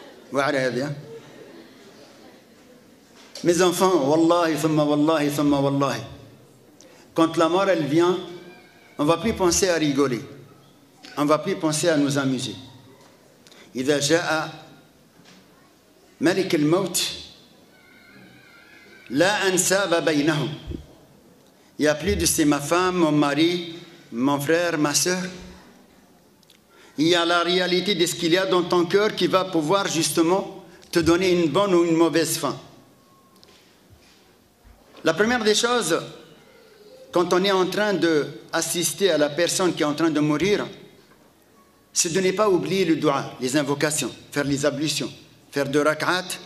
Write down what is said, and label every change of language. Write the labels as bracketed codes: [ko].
[fr] Voilà, bien. Mes enfants, wallahi, thumma wallahi, thumma wallahi. Quand la mort, elle vient, on ne va plus penser à rigoler. On ne va plus penser à nous amuser. [ar] إذا جاء ملك الموت لا أنساب بينهم. [fr] Il n'y a plus de ces ma femme, mon mari, mon frère, ma soeur. Il y a la réalité de ce qu'il y a dans ton cœur qui va pouvoir justement te donner une bonne ou une mauvaise fin. La première des choses, quand on est en train d'assister à la personne qui est en train de mourir, c'est de ne pas oublier le doigt, les invocations, faire les ablutions, faire deux rak'at